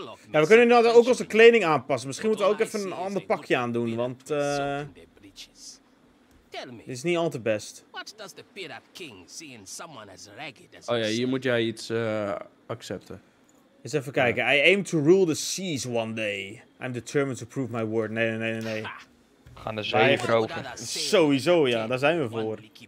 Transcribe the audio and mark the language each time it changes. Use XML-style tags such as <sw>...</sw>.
<nl>Ja, we kunnen nu ook onze kleding aanpassen. Misschien moeten we ook even een ander pakje aandoen, want... dit is niet al te best. Oh ja, hier moet jij iets accepten. Eens even kijken.</nl> <en>I aim to rule the seas one day. I'm determined to prove my word. Nee.</en> <nl>We gaan de zee veroveren. Sowieso, ja, daar zijn we voor.</nl>